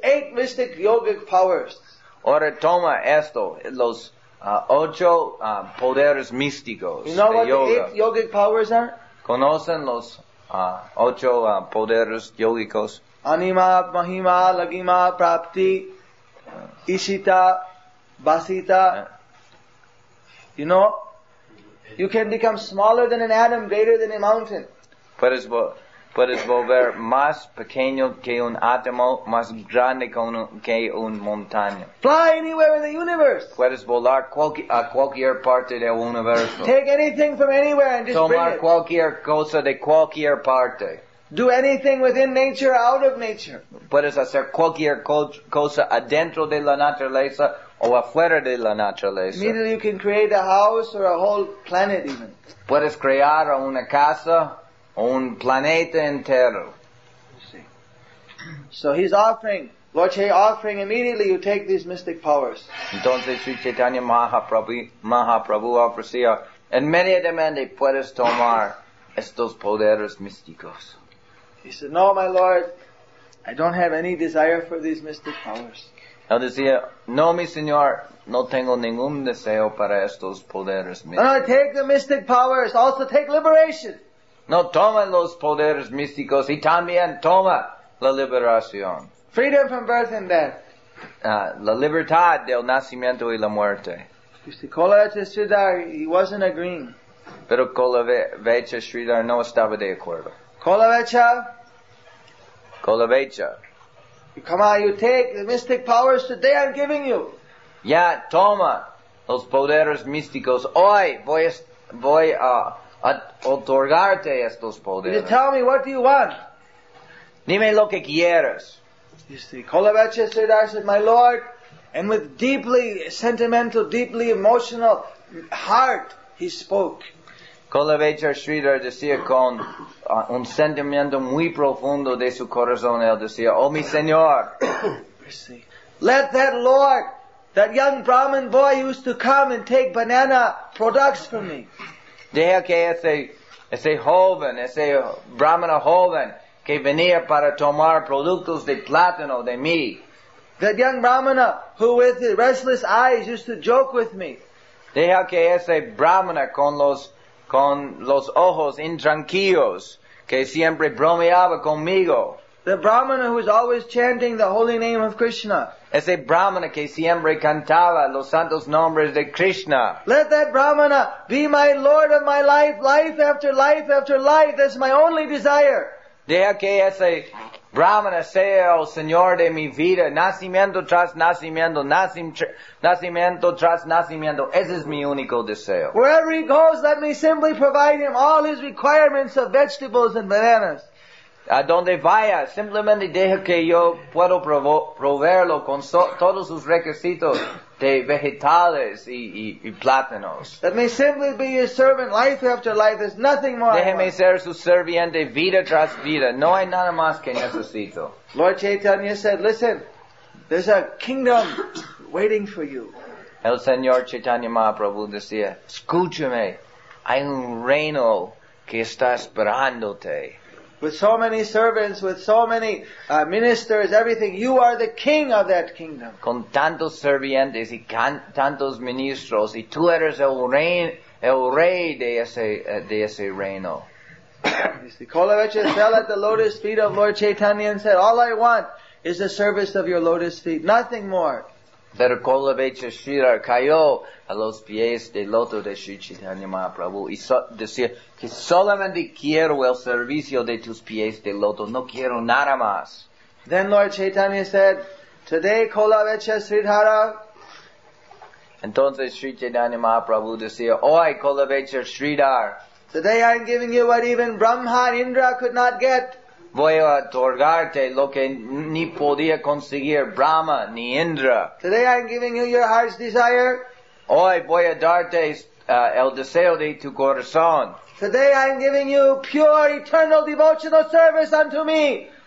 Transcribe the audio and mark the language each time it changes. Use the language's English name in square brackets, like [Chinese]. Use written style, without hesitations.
[English] Eight mystic yogic powers. [Spanish] Ahora toma esto. Los ocho poderes místicos de yoga. [English] You know what the eight yogic powers are? [Spanish] Conocen los ocho poderes yogicos. [English] Anima, Mahima, Lagima, Prapti, Ishita, Basita. You know? You can become smaller than an atom, greater than a mountain. [Spanish] Puedes volver más pequeño que un átomo, más grande que un montaña. [English] Fly anywhere in the universe. [Spanish] Puedes volar a cualquier parte del universo. [English] Take anything from anywhere and just [Spanish] tomar [English] bring it. [Spanish] Tomar cualquier cosa de cualquier parte. [English] Do anything within nature or out of nature. [Spanish] Puedes hacer cualquier cosa adentro de la naturaleza o afuera de la naturaleza. [English] Immediately you can create a house or a whole planet even. [Spanish] Puedes crear una casa o un planeta entero. [English] So he's offering, Lord Chaitanya offering immediately you take these mystic powers. [Spanish] Entonces Sri Chaitanya Mahaprabhu ofrecía inmediatamente puedes tomar estos poderes místicos. [English] He said, no, my Lord, I don't have any desire for these mystic powers. [Spanish] Él decía, no, mi Señor, no tengo ningún deseo para estos poderes místicos. [English] No, take the mystic powers, also take liberation. [Spanish] No, toma los poderes místicos y también toma la liberación. [English] Freedom from birth and death. [Spanish] La libertad del nacimiento y la muerte. [English] You see, Kolavecha Sridhar, he wasn't agreeing. [Spanish] Pero Kolavecha Sridhar no estaba de acuerdo. [English] Kolavecha, you come on, you take the mystic powers today I'm giving you. [Spanish] Ya, toma los poderes místicos. Hoy voy a otorgarte estos poderes. [English] You tell me, what do you want? [Spanish] Dime lo que quieres. [English] You see, Kolavecha Sridhar said, my Lord, and with deeply sentimental, deeply emotional heart, he spoke. [Spanish] Kolavecha Sridhar decía con un sentimiento muy profundo de su corazón, él decía, oh mi Señor, [English] let that Lord, that young Brahmin boy used to come and take banana products from me. [Spanish] Deja que ese joven, ese Brahmana joven, que venía para tomar productos de plátano de mí. [English] That young Brahmana who with his restless eyes used to joke with me. [Spanish] Deja que ese Brahmana con los ojos intranquilos que siempre bromeaba conmigo. [English] The Brahmana who is always chanting the holy name of Krishna. [Spanish] Ese Brahmana que siempre cantaba los santos nombres de Krishna. [English] Let that Brahmana be my Lord of my life, life after life after life. That's my only desire. [Spanish] Deja que ese Brahmana sea el Señor de mi vida, nacimiento tras nacimiento, nacimiento tras nacimiento. Ese es mi único deseo. [English] Wherever he goes, let me simply provide him all his requirements of vegetables and bananas. [Spanish] A donde vaya, simplemente deja que yo puedo proveerlo con todos sus requisitos de vegetales y plátanos. [English] Let me simply be your servant life after life. There's nothing more. [Spanish] Déjeme ser su serviente vida tras vida. No hay nada más que necesito. [English] Lord Chaitanya said, listen, there's a kingdom waiting for you. [Spanish] El Señor Chaitanya Mahaprabhu decía, escúchame, hay un reino que está esperándote. [English] With so many servants, with so many ministers, everything, you are the king of that kingdom. [Spanish] Con tantos servientes y tantos ministros, y tú eres el rey de ese reino. [English] Kolavecha fell at the lotus feet of Lord Chaitanya and said, all I want is the service of your lotus feet, nothing more. [Spanish] Percolavecha Shirar Kayo a los pies de loto de Sri Chaitanya Mahaprabhu. Y decir que solamente quiero el servicio de tus pies de loto, no quiero nada más. [English] Then Lord Chaitanya said, today Kolavecha Sridhara. [Spanish] Entonces Sri Chaitanya Mahaprabhu decía, hoy Kolavecha Sridhar. [English] Today I'm giving you what even Brahma and Indra could not get. [Spanish] Voy a otorgarte lo que ni podía conseguir Brahma ni Indra. [English] Today I'm giving you your heart's desire. [Spanish] Hoy voy a darte el deseo de tu corazón. [English] Today I'm giving you pure eternal devotional service unto me.